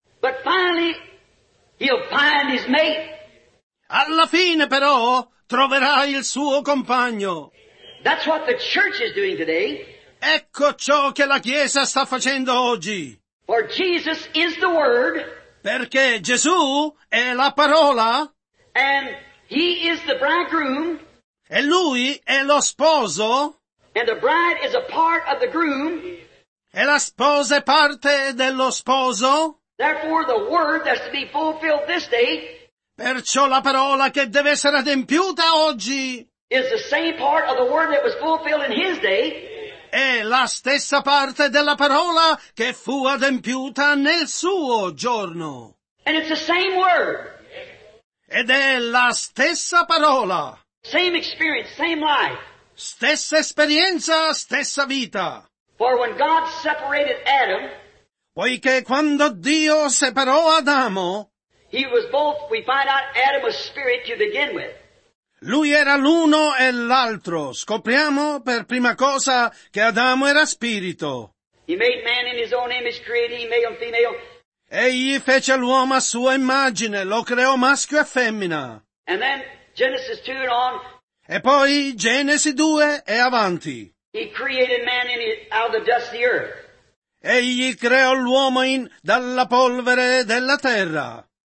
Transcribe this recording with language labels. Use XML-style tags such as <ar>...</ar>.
<en>But finally, he'll find his mate.</en> <it>Alla fine però troverà il suo compagno.</it> <en>That's what the church is doing today.</en> <it>Ecco ciò che la Chiesa sta facendo oggi.</it> <en>For Jesus is the Word.</en> <it>Perché Gesù è la parola.</it> <en>And he is the bridegroom.</en> <it>E lui è lo sposo.</it> <en>And the bride is a part of the groom.</en> <it>E la sposa è parte dello sposo.</it> <en>Therefore the word that's to be fulfilled this day.</en> <it>Perciò la parola che deve essere adempiuta oggi.</it> <en>Is the same part of the word that was fulfilled in his day.</en> <it>È la stessa parte della parola che fu adempiuta nel suo giorno.</it> <en>And it's the same word.</en> <it>Ed è la stessa parola.</it> <en>Same experience, same life.</en> <it>Stessa esperienza, stessa vita.</it> <en>For when God separated Adam,</en> <it>poiché quando Dio separò Adamo,</it> <en>he was both, we find out, Adam was spirit to begin with.</en> <it>Lui era l'uno e l'altro. Scopriamo per prima cosa che Adamo era spirito.</it> <en>He made man in his own image, created him, male and female.</en> <it>Egli fece l'uomo a sua immagine, lo creò maschio e femmina.</it> <en>And then Genesis 2 and on.</en> <it>E poi Genesi 2 e avanti.</it> <en>He created man in it out of the dust of the earth.</en> <it>Egli creò l'uomo dalla polvere della terra.</it>